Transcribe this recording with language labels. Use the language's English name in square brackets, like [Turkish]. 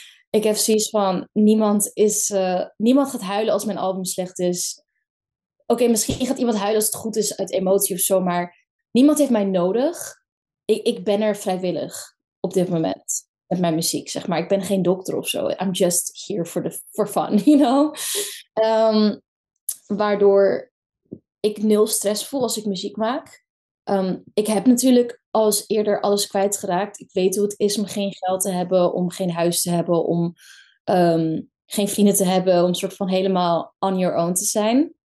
[Dutch] Ik heb zoiets van, niemand gaat huilen als mijn album slecht is. Oké, misschien gaat iemand huilen als het goed is uit emotie of zo, maar niemand heeft mij nodig. Ik ben er vrijwillig op dit moment met mijn muziek, zeg maar. Ik ben geen dokter of zo. [English] I'm just here for fun, you know? [Dutch] Waardoor ik nul stress voel als ik muziek maak. Ik heb natuurlijk alles eerder alles kwijtgeraakt. Ik weet hoe het is om geen geld te hebben, om geen huis te hebben, om geen vrienden te hebben, om een soort van helemaal [English] on your own [Dutch] te zijn.